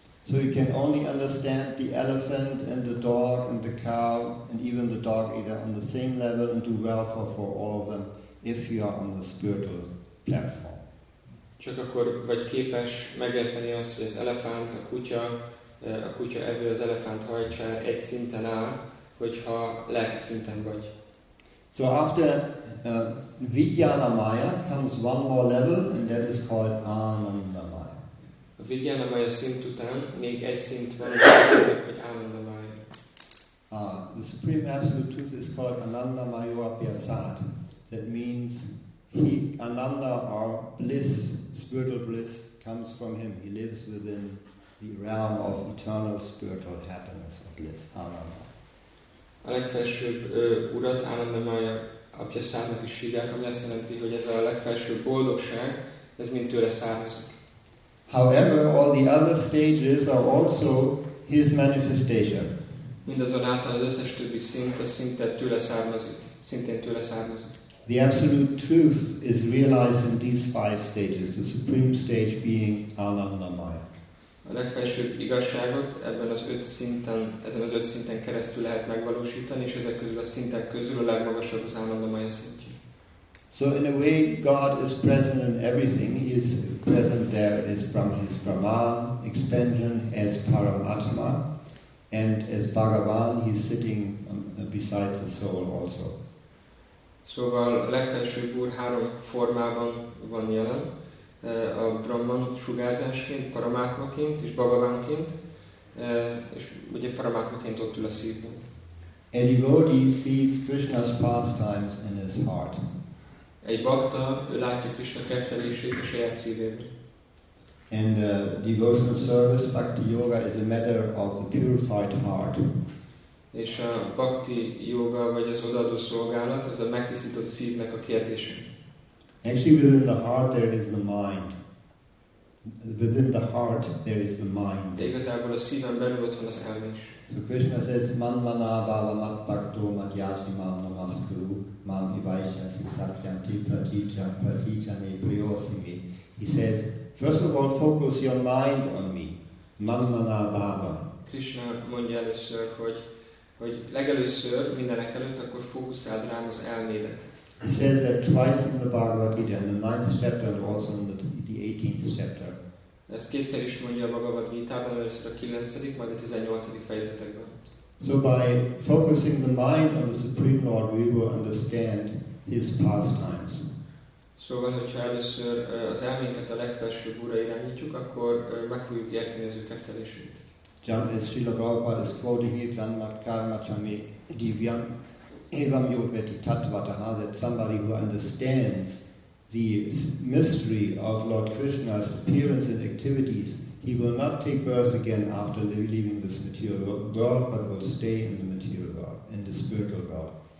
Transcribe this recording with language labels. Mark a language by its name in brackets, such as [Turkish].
[English] So you can only understand the elephant and the dog and the cow and even the dog eater on the same level and do welfare for all of them if you are on the spiritual platform. [Hungarian] Csak akkor vagy képes megérteni azt, hogy az elefánt, a kutya evő, az elefánt hajtsa egy szinten áll, hogyha lelki szinten vagy. [English] So after Vijnana Maya comes one more level and that is called Ananda. [Hungarian] A Vijnana Maya szint után még egy szint van, hogy Ananda Maya. [English] The Supreme Absolute Truth is called Ananda Maya Pyasad. That means he, Ananda, or bliss, spiritual bliss, comes from him. He lives within the realm of eternal spiritual happiness or bliss, Ananda. [Hungarian] A legfelsőbb urat Ananda Maya Pyasadnak is hívják, ami azt jelenti, hogy ez a legfelsőbb boldogság, ez mind tőle származik. [English] However, all the other stages are also his manifestation. [Hungarian] Mindazonáltal az összes többi szint, a szintet tőle származik, szintén tőle származik. [English] The absolute truth is realized in these five stages, the supreme stage being Ananda Maya. [Hungarian] A legfelsőbb igazságot ebben az öt szinten, ezen az öt szinten keresztül lehet megvalósítani, és ezek közül a szintek közül a legmagasabb az Ananda Maya szint. [English] So in a way, God is present in everything. He is present there as from his Brahma expansion, as Paramatma, and as Bhagavan, he is sitting beside the soul also. [Hungarian] Szóval a legfelsőbb úr három formában van jelen, a Brahman sugárzásként, Paramatmaként és Bhagavanként, és ugye Paramatmaként ott ül a szívben. [English] A devotee sees Krishna's pastimes in his heart. [Hungarian] Egy bakta, ő látja Krishna keftelését a saját szívében. [English] And devotional service, bhakti yoga, is a matter of the purified heart. [Hungarian] És a bhakti yoga vagy az odaadó szolgálat, az a megtisztított szívnek a kérdése. [English] Actually, within the heart there is the mind. Within the heart there is the mind. [Hungarian] De igazából a szíven belül ott van az elme is. [English] So Krishna says, [Sanskrit] man mana bhava mat bhakto mat yati mam namaskuru mam ivaishasi satyam ti praticha praticha ne priyosimi. [English] He says, first of all, focus your mind on me. [Sanskrit] Man mana bhava. [Hungarian] Krishna mondja először, hogy legelőször, mindenek előtt, akkor fókuszáld rám az elmédet. [English] He says that twice in the Bhagavad Gita, in the 9th chapter and also in the 18th chapter. [Hungarian] Ezt kétszer is mondja a Bhagavad Gita-ban, először a 9. majd a 18. fejezetekben. [English] So by focusing the mind on the Supreme Lord, we will understand his pastimes. [Hungarian] Szóval, hogyha először az elménket a legfelsőbb úrra irányítjuk, akkor meg fogjuk érteni az ő kettelését. [English] As Srila Prabhupada is quoting here, [Sanskrit] Janmat Karma Chami Divyam Evam Yogveti Tattvataha, [English] that somebody who understands the mystery of Lord Krishna's appearance and activities, he will not take birth again after leaving this material world, but will stay in the material world, in the spiritual world.